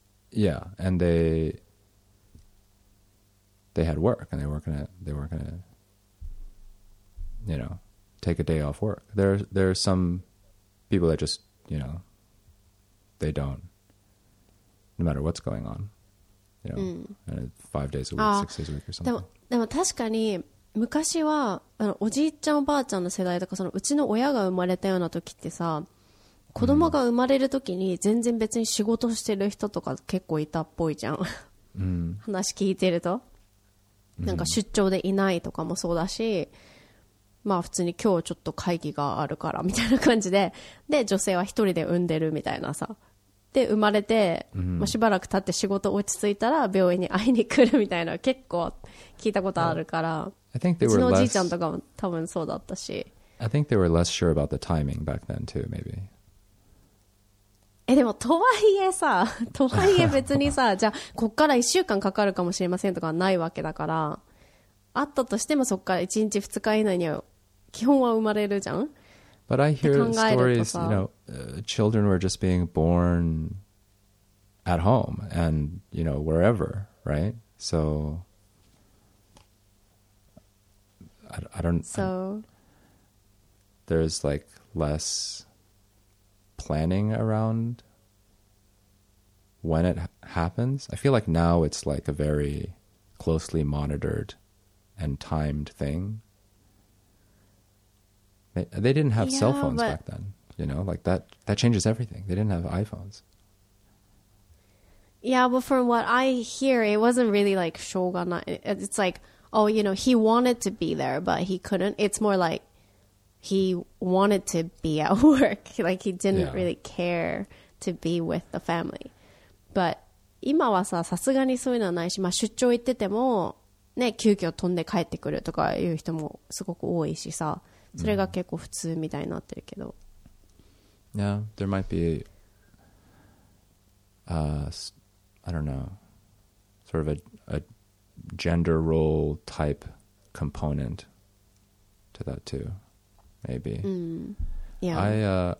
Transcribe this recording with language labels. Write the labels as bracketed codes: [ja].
[en] Yeah, and they had work, and they were gonna, you know, take a day off work. There are some people that just, you know, they don't, no matter what's going on, you know, and 5 days a week, 6 days a week or something. [ja] But, 確かに昔はあのおじいちゃんおばあちゃんの世代とかそのうちの親が生まれたような時ってさ。子供が生まれる時に全然別に仕事してる人とか結構いたっぽいじゃん、うん、話聞いてると、うん、なんか出張でいないとかもそうだし、まあ普通に今日ちょっと会議があるからみたいな感じで、で女性は一人で産んでるみたいなさ、で生まれて、まあ、しばらく経って仕事落ち着いたら病院に会いに来るみたいな結構聞いたことあるから、 [en] I think they were less... [ja] うちのおじいちゃんとかも多分そうだったし、 [en] I think they were less sure about the timing back then too maybe。 [ja] え、でもとはいえさ、とはいえ別にさ、じゃあこっから1週間かかるかもしれませんとかはないわけだから、あったとしてもそっから1日2日以内には基本は生まれるじゃん。 [en] But I hear stories, you know, children were just being born at home and, you know, wherever, right? So I don't so, there's like lessplanning around when it happens. I feel like now it's like a very closely monitored and timed thing. They didn't have cell phones back then, you know, like that changes everything. They didn't have iPhones. Yeah, but from what I hear, it wasn't really like shogana. It's like, oh, you know, he wanted to be there, but he couldn't. It's more likehe wanted to be at work. Like, he didn't really care to be with the family. [ja] But 今はさ、さすがにそういうのはないし、まあ出張行ってても、ね、急遽飛んで帰ってくるとかいう人もすごく多いしさ、それが結構普通みたいになってるけど。 [en] Yeah, there might be, I don't know, sort of a gender role type component to that too. Maybe. Yeah.